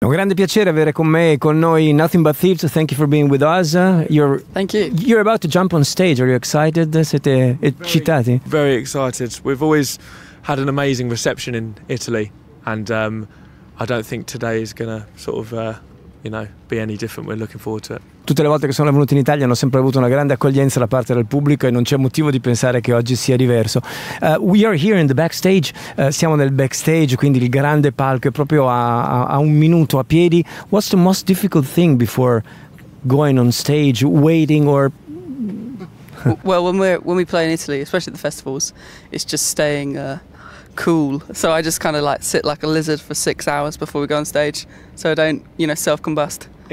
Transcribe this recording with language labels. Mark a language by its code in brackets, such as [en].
[it] Un grande piacere avere con me e con noi Nothing But Thieves. [en] Thank you for being with us. Thank you. You're about to jump on stage. Are you excited? [it] Siete eccitati? [en] Very excited. We've always had an amazing reception in Italy, and I don't think today is gonna sort of be any different. We're looking forward to it. [it] Tutte le volte che sono venuto in Italia hanno sempre avuto una grande accoglienza da parte del pubblico e non c'è motivo di pensare che oggi sia diverso. [en] We are here in the backstage. [it] Siamo nel backstage, quindi il grande palco è proprio a un minuto a piedi. [en] What's the most difficult thing before going on stage, waiting or... Well, when we play in Italy, especially at the festivals, it's just staying cool. So I just kind of like sit like a lizard for 6 hours before we go on stage, so I don't, self-combust.